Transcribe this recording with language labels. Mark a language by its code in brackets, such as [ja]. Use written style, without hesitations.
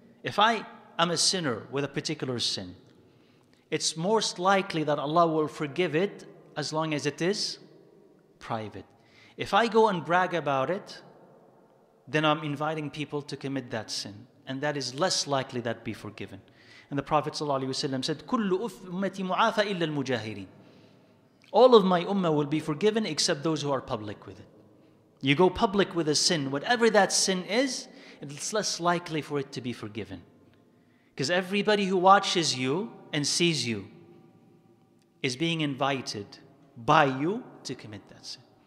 [en] If I am a sinner with a particular sin, it's most likely that Allah will forgive it as long as it is private. If I go and brag about it, then I'm inviting people to commit that sin. And that is less likely that be forgiven. And the Prophet ﷺ said, [ar] كُلُّ أُمَّةِ مُعَافَ إِلَّا الْمُجَاهِرِينَ. [en] All of my ummah will be forgiven except those who are public with it. You go public with a sin, whatever that sin is, it's less likely for it to be forgiven. Because everybody who watches you and sees you is being invited by you to commit that sin.